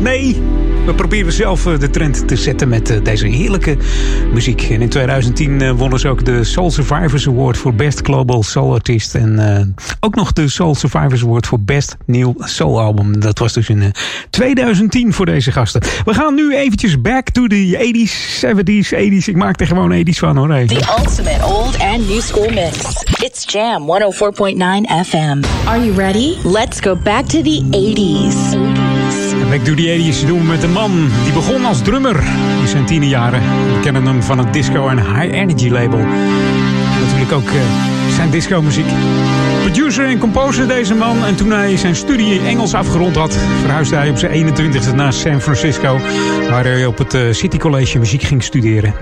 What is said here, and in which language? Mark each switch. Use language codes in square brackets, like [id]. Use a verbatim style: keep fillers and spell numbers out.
[nl] Nee, we proberen zelf uh, de trend te zetten met uh, deze heerlijke muziek. En in twintig tien uh, wonnen ze ook de Soul Survivors Award voor Best Global Soul Artist. En uh, ook nog de Soul Survivors Award voor Best New Soul Album. Dat was dus in uh, twintig tien voor deze gasten. We gaan nu eventjes [en] back to the eighties, seventies, eighties. [nl] Ik maak er gewoon eighties van hoor. Hey. [en] The ultimate old and new school mix. It's Jam [nl] honderdvier komma negen [en] F M. Are you ready? Let's go back to the eighties. [nl] Back to the eighties doen we met een man die begon als drummer in zijn tienerjaren. We kennen hem van het disco en high energy label. Natuurlijk ook uh, zijn discomuziek. Producer en composer deze man. En toen hij zijn studie in Engels afgerond had, verhuisde hij op zijn eenentwintigste naar San Francisco, waar hij op het uh, City College muziek ging studeren.